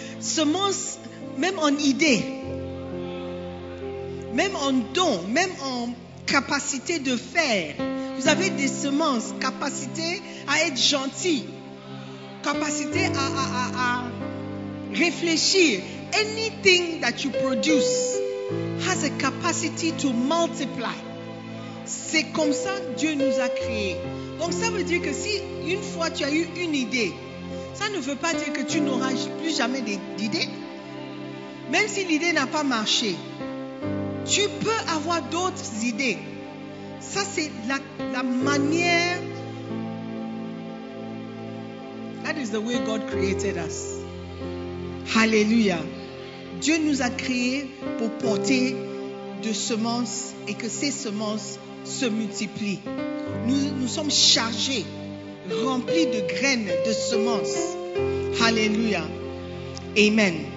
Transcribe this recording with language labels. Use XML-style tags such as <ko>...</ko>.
<fr>Semences, même en idées, même en dons, même en capacité de faire. Vous avez des semences, capacité à être gentil, capacité à réfléchir.</fr> <en>Anything that you produce has a capacity to multiply.</en> <fr>C'est comme ça Dieu nous a créés. Donc ça veut dire que si une fois tu as eu une idée, ça ne veut pas dire que tu n'auras plus jamais d'idée. Même si l'idée n'a pas marché, tu peux avoir d'autres idées. Ça c'est la manière.</fr> <en>That is the way God created us. Hallelujah.</en> <fr>Dieu nous a créés pour porter de semences et que ces semences se multiplient. Nous sommes chargés, remplis de graines, de semences. Hallelujah. Amen.</fr>